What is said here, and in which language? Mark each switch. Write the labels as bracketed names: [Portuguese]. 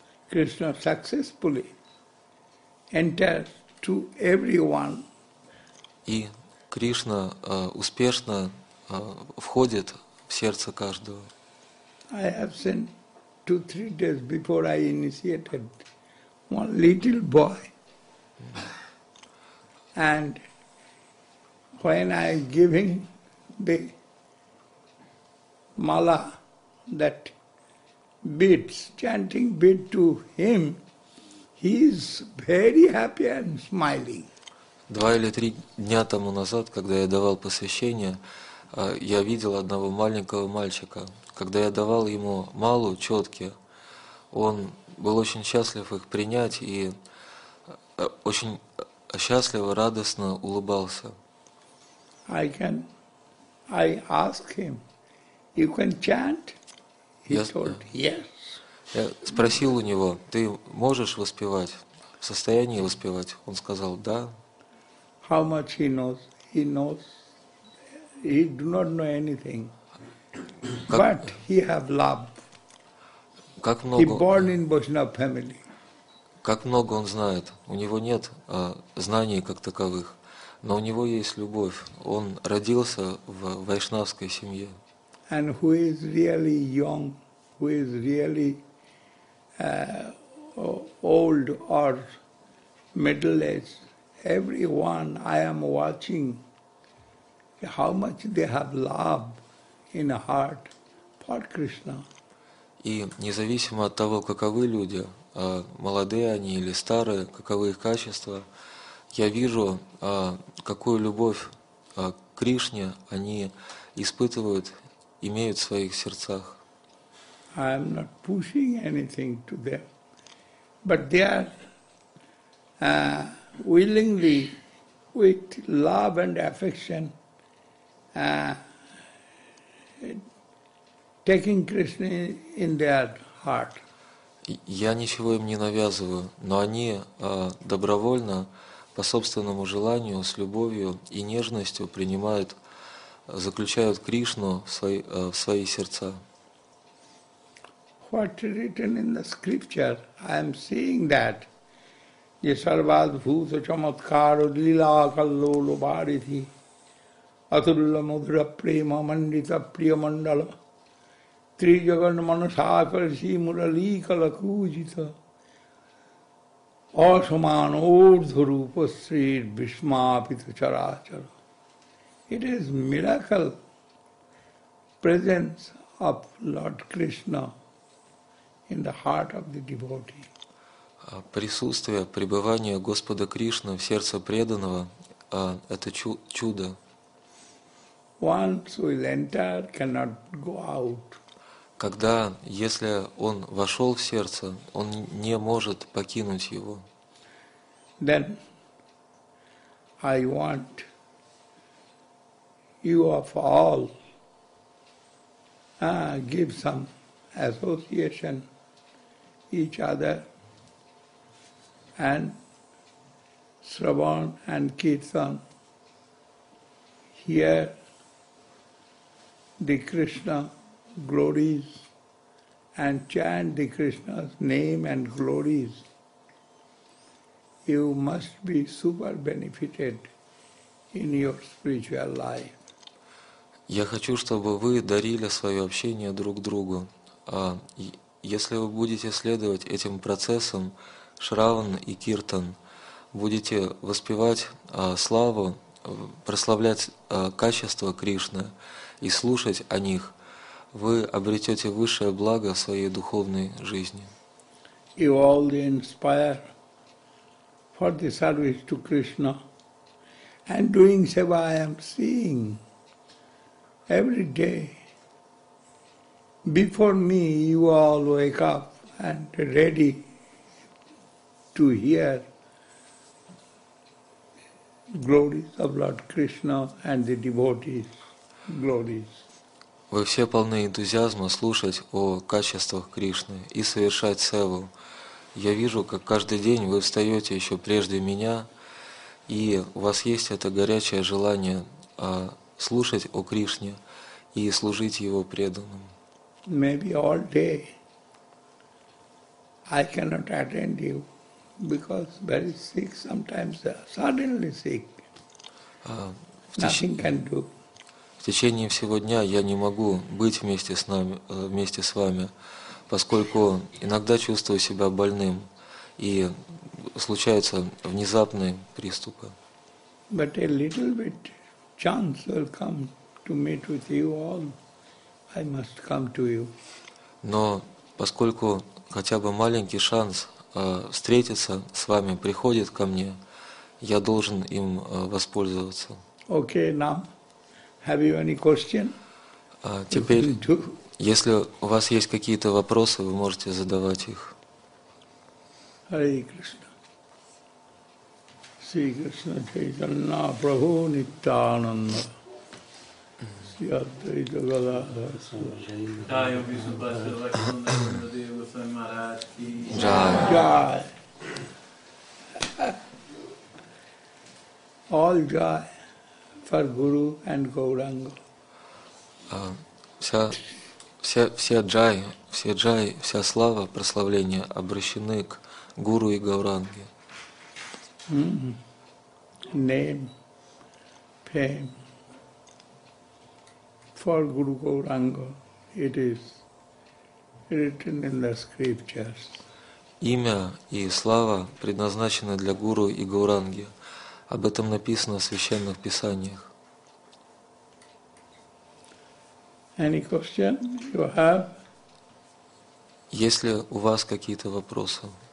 [English] Krishna successfully enters to everyone. [Russian] И Кришна успешно входит в сердце каждого. [English] I have seen 2-3 days before I initiated one little boy. And when I giving the mala, that beads, chanting bead to him, he is very happy and smiling. [Russian] 2 или 3 дня тому назад, когда я давал посвящение, я видел одного маленького мальчика. Когда я давал ему малу, четки, он был очень счастлив их принять и очень счастливо, радостно улыбался. [English] I ask him, you can chant? He told, yes. [Russian] Я спросил у него, ты можешь воспевать, в состоянии воспевать? Он сказал, да. [English] How much he knows? He knows. He do not know anything. But he have love. [Russian] Как много, [English] he born in Vaishnava family. [Russian] Как много он знает? У него нет знаний как таковых, но у него есть любовь. Он родился в вайшнавской семье. [English] And who is really young, who is really old or middle-aged, everyone I am watching, how much they have love in heart for Krishna. [Russian] И независимо от того, каковы люди, молодые они или старые, каковы их качества, я вижу, какую любовь к Кришне они испытывают, имеют в своих сердцах. [English] I am not pushing anything to them, but they are willingly, with love and affection, taking Krishna in their heart. [Russian] Я ничего им не навязываю, но они добровольно, по собственному желанию, с любовью и нежностью принимают, заключают Кришну в свои сердца. [English] What is written in the scripture, I am seeing that. [Sanskrit] Ye sarvad bhuta chamatkaro lila kallo lobarithi atulla mudra prema mandita priyamandala trijagan manasakarshi murali kalakujita asaman urdhu rupa sri bhishmapita charachara. [English] It is miracle presence of Lord Krishna in the heart of the devotee. [Russian] Присутствие, пребывание Господа Кришны в сердце преданного – это чудо. [English] Once we'll enter, cannot go out. [Russian] Когда, если он вошел в сердце, он не может покинуть его. [English] Then I want you of all give some association each other. And Shravan and Kirtan hear the Krishna glories and chant the Krishna's name and glories. You must be super benefited in your spiritual life. [Russian] Я хочу, чтобы вы дарили свое общение друг другу. Если вы будете следовать этим процессам, Шраван и Киртан, будете воспевать славу, прославлять качество Кришны и слушать о них, вы обретете высшее благо в своей духовной жизни. [English] You all inspire for the service to Krishna. And doing seva I am seeing every day. Before me you all wake up and ready to hear glories of Lord Krishna and the devotees' glories. [Russian] Вы все полны энтузиазма слушать о качествах Кришны и совершать севу. Я вижу, как каждый день вы встаете еще прежде меня и у вас есть это горячее желание слушать о Кришне и служить Его преданным. [English] Maybe all day I cannot attend you because very sick sometimes, suddenly sick. Nothing can do. [Russian] В течение всего дня я не могу быть вместе с нами, вместе с вами, поскольку иногда чувствую себя больным и случаются внезапные приступы. [English] But a little bit chance will come to meet with you all. I must come to you. [Russian] Но поскольку хотя бы маленький шанс встретиться с вами приходит ко мне, я должен им воспользоваться. [English] Okay, now, have you any question? [Russian] Теперь, если у вас есть какие-то вопросы, вы можете задавать их. [English] Hare Krishna. Sri Krishna Chaitanya Prabhu Nityananda. Joy. All joy for Guru and Gauranga. [Russian] Вся джай, вся слава, прославление обращены к Гуру и Гауранге. [English] Name, fame. For Guru Gauranga, it is written in the scriptures. [Russian] Имя и слава предназначены для Гуру и Гауранги. Об этом написано в священных писаниях. [English] Any question you have? [Russian] Есть ли у вас какие-то вопросы?